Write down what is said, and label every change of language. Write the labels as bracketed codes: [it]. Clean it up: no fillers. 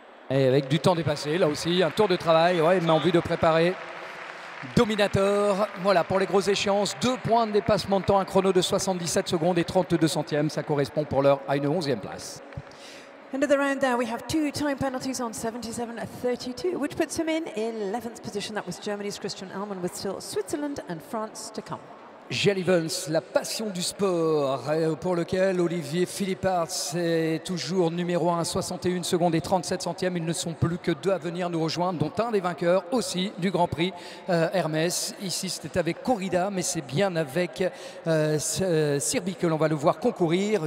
[fr] Et avec du temps dépassé, là aussi, un tour de travail, ouais, mais en vue de préparer Dominator. Voilà, pour les grosses échéances, deux points de dépassement de temps, un chrono de 77 secondes et 32 centièmes. Ça correspond pour l'heure à une 11e place. [en] End of the round there, we have two time penalties on 77-32, which puts him in 11th position. That was Germany's Christian Almann with still Switzerland and France to come. [fr] Jill Evans, la passion du sport, pour lequel Olivier Philippard est toujours numéro 1, 61 secondes et 37 centièmes. Ils ne sont plus que deux à venir nous rejoindre, dont un des vainqueurs aussi du Grand Prix Hermès. Ici, c'était avec Corrida, mais c'est bien avec Sirbi que l'on va le voir concourir.